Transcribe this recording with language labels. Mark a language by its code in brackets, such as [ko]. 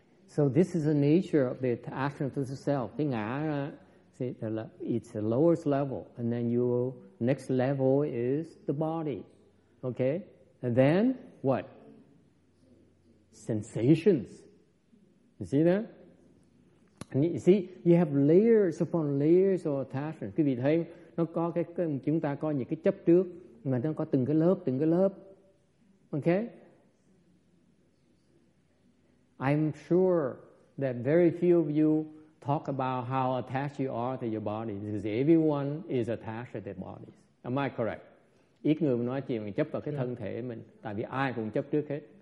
[en] So this is the nature of the attachment to the self. It's the lowest level. And then your next level is the body. Okay? And then what? Sensations. You see that? And you see, you have layers upon layers of attachment. [vi] Quý vị thấy, nó có cái, chúng ta có những cái chấp trước, mà nó có từng cái lớp. [en] Okay? I'm sure that very few of you talk about how attached you are to your body because everyone is attached to their bodies. Am I correct? [vi] Ít người nói chuyện mình chấp vào cái thân thể mình, tại vì ai cũng chấp trước hết.